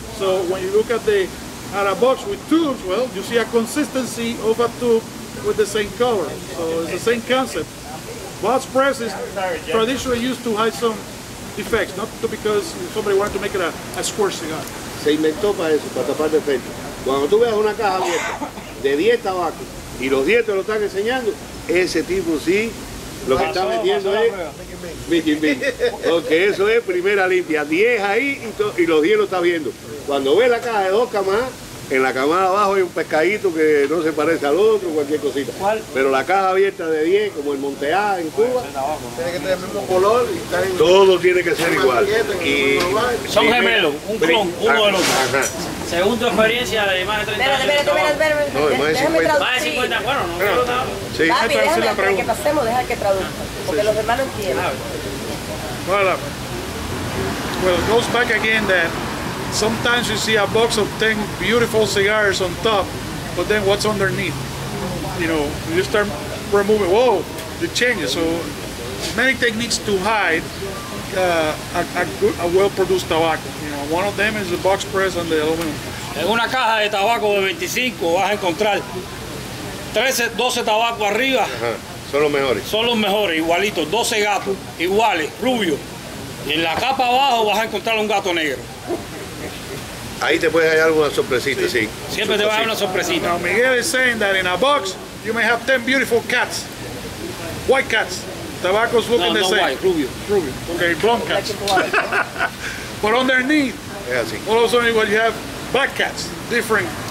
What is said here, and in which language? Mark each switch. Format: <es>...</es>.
<en>So when you look at a box with tubes, well, you see a consistency of a tube with the same color. So it's the same concept. Box press is traditionally used to hide some defects, not because somebody wanted to make it a square cigar.</en> <es>Se inventó para eso, para tapar defectos. Cuando tú veas una caja abierta de 10 tabacos y los 10 te lo están enseñando, ese tipo sí, lo que está vendiendo es Mickey Mouse. Porque eso es primera limpia, 10 ahí y los 10 lo está viendo. Cuando ves la caja de dos camadas, en la camada abajo hay un pescadito que no se parece al otro, cualquier cosita. ¿Cuál? Pero la caja abierta de 10, como el Monte A en Cuba, tiene que tener el mismo color y estar en... Todo tiene que ser igual. Y son gemelos, un clon, uno del otro. Ajá. Según tu experiencia de más de 30 años. Espérate. No, más de 50. Más de 50, bueno, no quiero nada. Sí, déjame que pasemos, deja que traduzca, porque los demás lo entienden.</es> <en>Well, it goes back again that sometimes you see a box of 10 beautiful cigars on top, but then what's underneath? You know, you start removing, whoa, the changes. So many techniques to hide a well-produced tobacco. You know, one of them is the box press and the aluminum.</en> <es>En una caja de tabaco de 25 vas a encontrar 13, 12 tabaco arriba. Son los mejores. Son los mejores, igualitos. 12 gatos, iguales, rubios. Y en la capa abajo vas a encontrar un gato negro. Ahí te puede hallar una sorpresita, sí. Siempre te va a dar una sorpresita.</es> <en>Now Miguel is saying that in a box you may have 10 beautiful cats, white cats. Tobacco's looking no the same. No, white, rubio. Okay, blonde cats. But underneath, all of a sudden, well, you have black cats, different.</en>